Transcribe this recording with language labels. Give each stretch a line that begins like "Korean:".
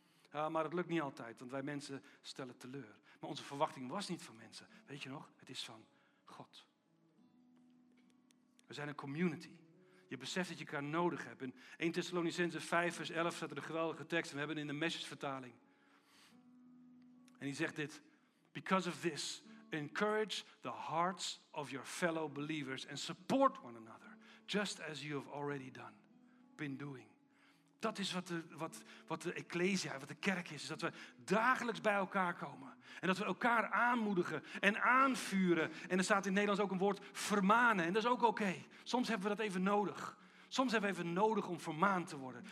Dutch: Maar het lukt niet altijd, want wij mensen stellen teleur. Maar onze verwachting was niet van mensen. Weet je nog? Het is van God. We zijn een community. Je beseft dat je elkaar nodig hebt. In 1 Thessalonicenzen 5 vers 11 staat er een geweldige tekst. We hebben in de Message vertaling. En die zegt dit:
English: because of this, encourage the hearts of your fellow believers and support one another, just as you have already done, been doing.
Dutch: Dat is wat de ecclesia, wat de kerk is dat we dagelijks bij elkaar komen. En dat we elkaar aanmoedigen en aanvuren. En er staat in het Nederlands ook een woord vermanen. En dat is ook oké. Soms hebben we dat even nodig. Soms hebben we even nodig om vermaand te worden.